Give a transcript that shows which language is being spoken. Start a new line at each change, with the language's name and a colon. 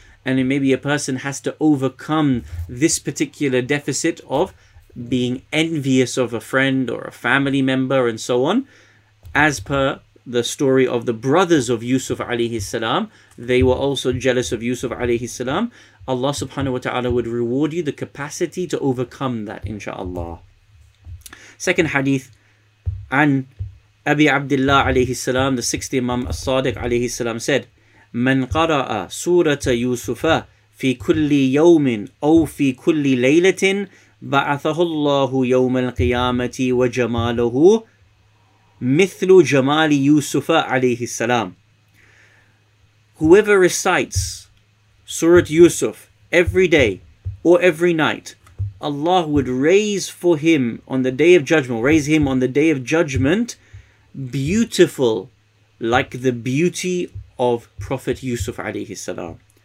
English: And it may be a person has to overcome this particular deficit of being envious of a friend or a family member and so on. As per the story of the brothers of Yusuf alayhi salam, they were also jealous of Yusuf alayhi salam. Allah subhanahu wa ta'ala would reward you the capacity to overcome that, insha'Allah. Second hadith, an Abi Abdullah alayhi salam, the 6th Imam As-Sadiq alayhi salam said,
Arabic: من قرأ سورة يوسف في كل يوم أو في كل ليلة بعثه الله يوم القيامة وجماله مثل جمال يوسف عليه السلام.
English: Whoever recites Surah Yusuf every day or every night, Allah would raise for him on the day of judgment, raise him on the day of judgment, beautiful like the beauty of Prophet Yusuf alayhi salam.